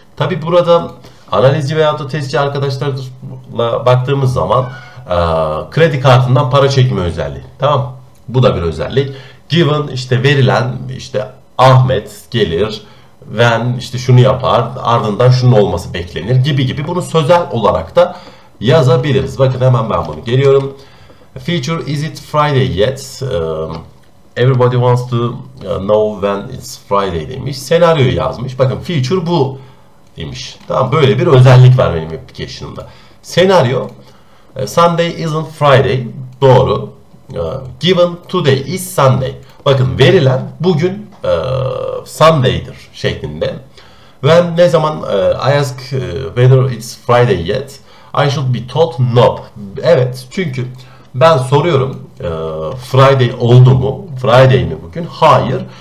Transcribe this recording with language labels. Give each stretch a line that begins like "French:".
Turkish: Tabi burada analizci veyahut da testçi arkadaşlarla baktığımız zaman kredi kartından para çekme özelliği. Tamam. Bu da bir özellik. Given işte verilen işte Ahmet gelir ben işte şunu yapar ardından şunun olması beklenir gibi gibi bunu sözel olarak da yazabiliriz. Bakın hemen ben bunu geliyorum.
English: Feature is it Friday yet? Everybody wants to know when it's Friday
Turkish: demiş. Senaryoyu yazmış. Bakın feature bu demiş. Tamam böyle bir özellik var benim application'ımda.
English: Senaryo Sunday isn't Friday.
Turkish: Doğru.
English: Given today is Sunday.
Turkish: Bakın verilen bugün Sunday'dir şeklinde. Ben ne zaman
English: I ask whether it's Friday yet? I should be told no.
Turkish: Evet çünkü ben soruyorum Friday oldu mu? Friday mi bugün? Hayır.